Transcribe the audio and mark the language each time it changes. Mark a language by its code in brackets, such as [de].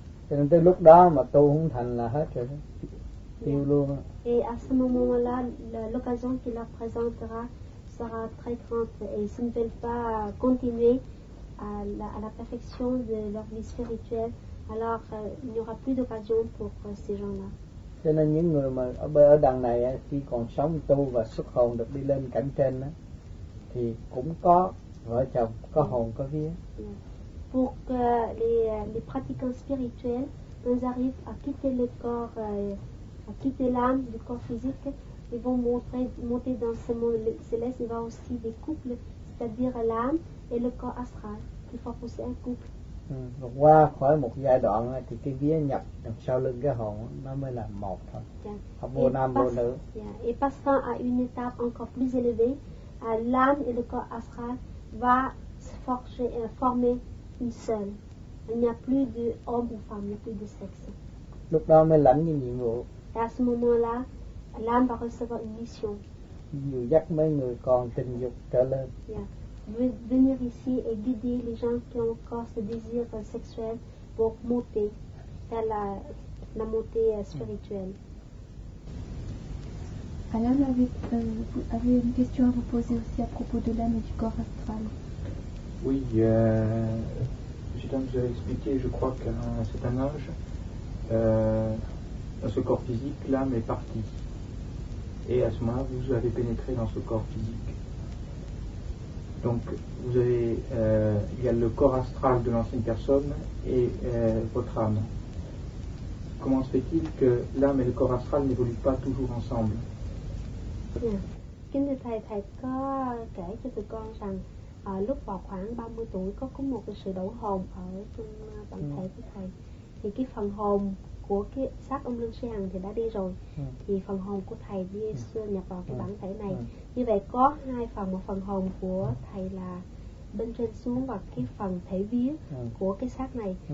[fr] Et à ce moment-là, l'occasion qu'il leur présentera sera très grande. Et s'ils ne veulent pas continuer à la perfection de leur vie spirituelle, alors il n'y aura plus d'occasion pour ces gens-là. [vi] Cho nên những người mà ở đằng này khi còn sống tu và xuất hồn được đi lên cảnh trên đó, thì cũng có vợ chồng, có hồn, có vía. [fr] Pour que les pratiquants spirituels, ils arrivent à quitter le corps à quitter l'âme du corps physique, ils vont monter dans ce monde céleste. Il y aura aussi des couples, c'est-à-dire l'âme et le corps astral, qui font pousser un couple. [vi] Qua khỏi một giai đoạn thì cái vía nhập đằng sau lưng cái hồn nó mới là một thôi. Không vô nam vô nữ. [fr] Et passant à une étape encore plus élevée, l'âme et le corps astral va se former une seule. Il n'y a plus de homme ou femme, il n'y a plus de sexe. [vi] Lúc đó mới lãnh cái nhiệm vụ. [fr] Et à ce moment-là, l'âme va recevoir une mission. [vi] Dù dắt mấy người còn tình dục trở lên. [fr] Venir ici et guider les gens qui ont encore ce désir sexuel pour monter vers la montée spirituelle. Alain avait une question à vous poser aussi à propos de l'âme et du corps astral. Oui, j'ai déjà expliqué, je crois qu'à un certain âge, dans ce corps physique, l'âme est partie. Et à ce moment-là, vous avez pénétré dans ce corps physique. Donc, vous avez, il y a le corps astral de l'ancienne personne et votre âme. Comment se fait-il que l'âme et le corps astral n'évoluent pas toujours ensemble? [vi] Kính thưa thầy, thầy có kể cho tụi con rằng lúc vào khoảng 30 tuổi có cùng một cái sự đổ hồn ở trong bản thể của thầy. Thì cái phần hồn của cái xác ông Lương Sư Hằng thì đã đi rồi. Thì phần hồn của thầy đi xưa nhập vào cái bản thể này. Như vậy có hai phần, một phần hồn của thầy là bên trên xuống và cái phần thể vía của cái xác này.